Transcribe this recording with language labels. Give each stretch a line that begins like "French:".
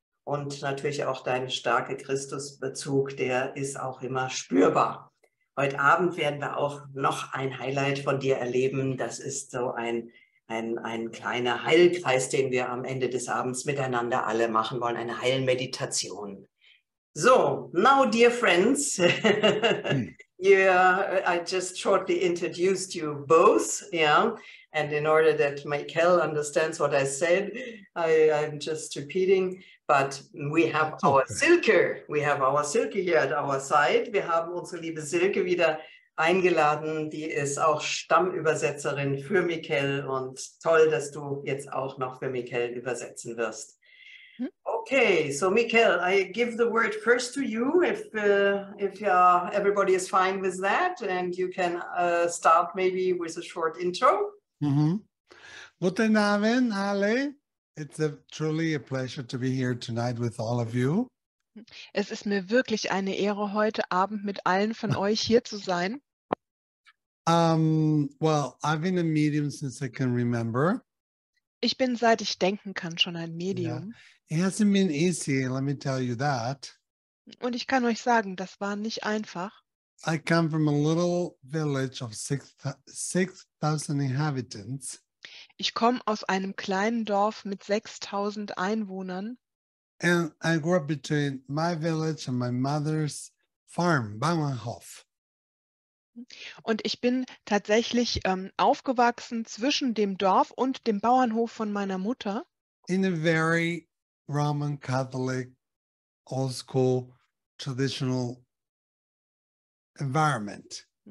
German: Und natürlich auch dein starker Christusbezug, der ist auch immer spürbar. Heute Abend werden wir auch noch ein Highlight von dir erleben. Das ist so ein kleiner Heilkreis, den wir am Ende des Abends miteinander alle machen wollen, eine Heilmeditation.
English: So, now, dear friends, I just shortly introduced you both, and in order that Mikkel understands what I said, I'm just repeating, but we have our Silke, here at our side.
German: Wir haben unsere liebe Silke wieder eingeladen, die ist auch Stammübersetzerin für Mikkel und toll, dass du jetzt auch noch für Mikkel übersetzen wirst.
English: Okay, so Mikkel, I give the word first to you, if everybody is fine with that, and you can start maybe with a short intro.
German: Mm-hmm. Guten Abend, alle.
English: It's truly a pleasure to be here tonight with all of you.
German: Es ist mir wirklich eine Ehre, heute Abend mit allen von euch hier zu sein.
English: Well, I've been a medium since I can remember.
German: Ich bin, seit ich denken kann, schon ein Medium.
English: Yeah. It hasn't been easy, let me tell you that.
German: Und ich kann euch sagen, das war nicht einfach.
English: I come from a little village of 6,000 inhabitants.
German: Ich komme aus einem kleinen Dorf mit 6,000 Einwohnern.
English: And I grew up between my village and my mother's farm, Bauernhof.
German: Und ich bin tatsächlich aufgewachsen zwischen dem Dorf und dem Bauernhof von meiner Mutter.
English: In a very Roman Catholic, old school, traditional environment.